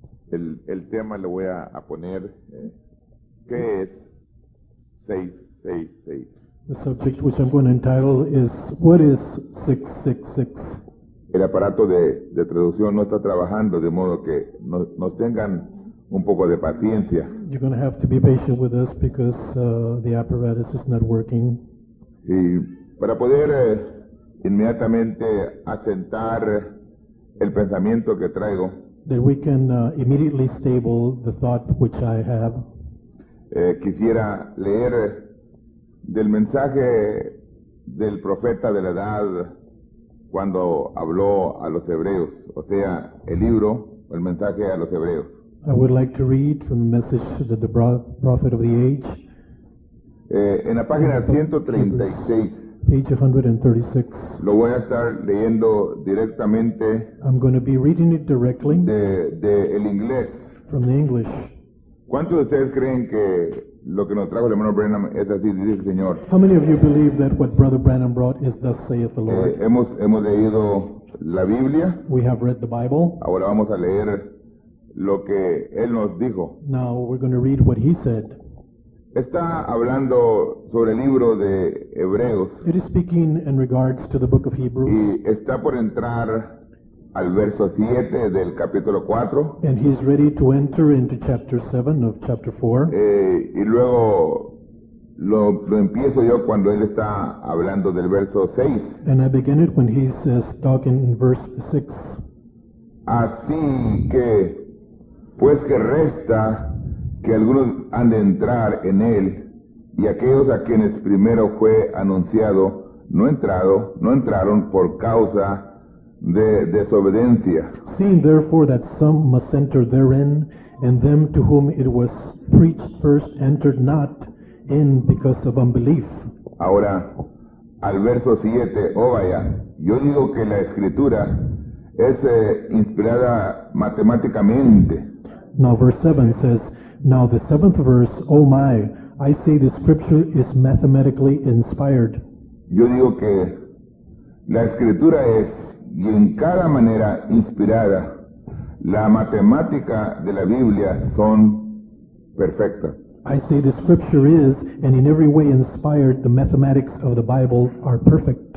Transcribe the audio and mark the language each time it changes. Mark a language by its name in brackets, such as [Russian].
[Spanish] El tema le voy a poner, ¿qué es 666? [English] The subject which I'm going to entitle is, what is 666? [Spanish] El aparato de traducción no está trabajando, de modo que nos tengan un poco de paciencia. [English] You're going to have to be patient with us because the apparatus is not working. [Spanish] Y para poder inmediatamente asentar el pensamiento que traigo, [English] that we can immediately stable the thought which I have. [Spanish] Quisiera leer del mensaje del profeta de la edad cuando habló a los hebreos, o sea, el libro, el mensaje a los hebreos. [English] I would like to read from the message that the prophet of the age. [Spanish] En la página 136. [English] Page 136. [Spanish] Lo voy a estar leyendo directamente. [English] I'm going to be reading it directly. [Spanish] De el inglés. [English] From the English. [Spanish] ¿Cuántos de ustedes creen que lo que nos trajo el hermano Branham es así, dice el Señor? [English] How many of you believe that what Brother Branham brought is thus saith the Lord? [Spanish] Hemos leído la Biblia. [English] We have read the Bible. [Spanish] Ahora vamos a leer lo que él nos dijo. [English] Now we're going to read what he said. [Spanish] Está hablando sobre el libro de Hebreos. [English] It is speaking in regards to the book of Hebrews. [Spanish] Y está por entrar al verso 7 del capítulo 4. [English] And he is ready to enter into chapter 7 of chapter 4. [Spanish] Y luego lo empiezo yo cuando él está hablando del verso 6. [English] And I begin it when he says talking in verse 6. [Spanish] Así que, pues que resta que algunos han de entrar en él, y aquellos a quienes primero fue anunciado no entraron por causa de desobediencia. [English] Seeing therefore that some must enter therein, and them to whom it was preached first entered not in because of unbelief. [Spanish] Ahora, al verso 7, vaya, yo digo que la Escritura es inspirada matemáticamente. [English] Now verse 7 says, now the seventh verse, oh my, I say the scripture is mathematically inspired. [Spanish] Yo digo que la escritura es, y en cada manera inspirada, la matemática de la Biblia son perfectas. [English] I say the scripture is, and in every way inspired, the mathematics of the Bible are perfect.